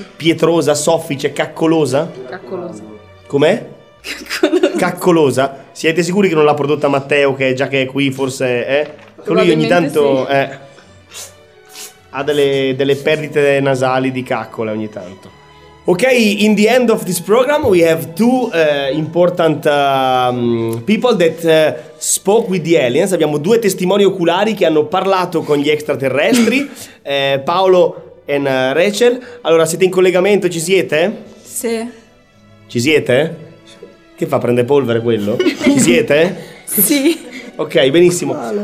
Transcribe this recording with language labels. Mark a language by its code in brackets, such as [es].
[it] Pietrosa, soffice, caccolosa? Caccolosa. Com'è? Caccolosa. Caccolosa? Siete sicuri che non l'ha prodotta Matteo, che è già che è qui, forse è? Lui ogni tanto sì. Ha delle perdite nasali di caccole ogni tanto. [en] Ok, in the end of this program we have two important people that spoke with the aliens. [it] Abbiamo due testimoni oculari che hanno parlato con gli extraterrestri, Paolo e Rachel. Allora, siete in collegamento, ci siete? Sì. Ci siete? Che fa, prende polvere quello? Ci siete? Sì. Ok, benissimo. Quale?